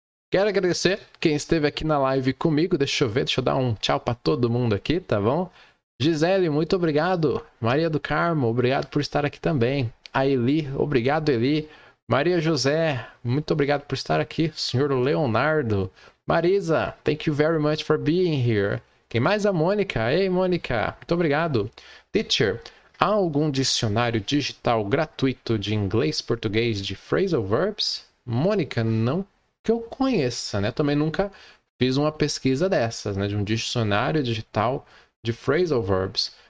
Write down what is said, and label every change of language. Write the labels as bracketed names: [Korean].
[Portuguese] Quero agradecer quem esteve aqui na live comigo. Deixa eu dar um tchau para todo mundo aqui, tá bom? Gisele, muito obrigado. Maria do Carmo, obrigado por estar aqui também. A Eli, obrigado, Eli. Maria José, muito obrigado por estar aqui. Senhor Leonardo. [English] Marisa, thank you very much for being here. [Portuguese] E mais a Mônica. Ei, Mônica, muito obrigado. Teacher, há algum dicionário digital gratuito de inglês, português, de phrasal verbs? Mônica, não que eu conheça, né? Também nunca fiz uma pesquisa dessas, né? De um dicionário digital de phrasal verbs.